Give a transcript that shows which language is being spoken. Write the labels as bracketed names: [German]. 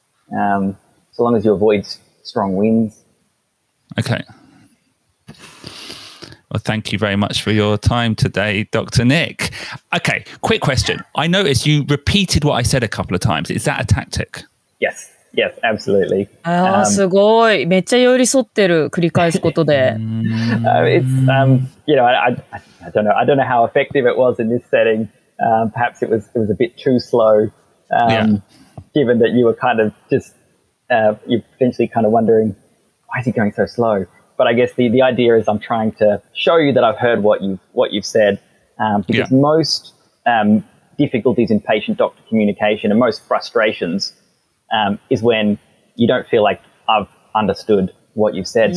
[English] So long as you avoid strong winds. Okay. Well, thank you very much for your time today, Dr. Nick. Okay, quick question. I noticed you repeated what I said a couple of times. Is that a tactic? Yes. Yes, absolutely. [Japanese] すごい。めっちゃ寄り添ってる、繰り返すことで。 [English] You know, I don't know. I don't know how effective it was in this setting. Perhaps it was a bit too slow, given that you were kind of just, you're potentially kind of wondering, why is he going so slow? But I guess the idea is I'm trying to show you that I've heard what you've said, because most difficulties in patient-doctor communication and most frustrations is when you don't feel like I've understood what you've said.